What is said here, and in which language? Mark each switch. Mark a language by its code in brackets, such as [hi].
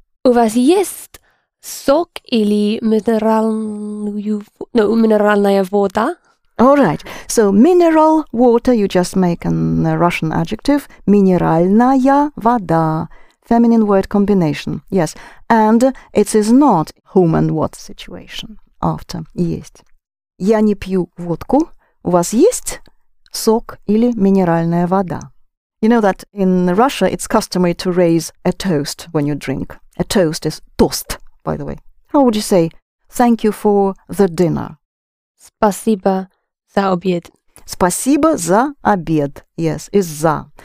[ru] У вас есть сок или минеральную... [en] No, [ru] минеральная вода? [en] All right. So, mineral water, you just make a Russian adjective. [ru] Минеральная вода. [en] Feminine word combination. Yes. And it is not whom and what situation after есть. [ru] Я не пью водку. У вас есть сок или минеральная вода? [en] You know that in Russia, it's customary to raise a toast when you drink. A toast is тост, by the way. How would you say thank you for the dinner? [ru] Спасибо за обед. Спасибо за обед. [en] Yes, is [ru] за.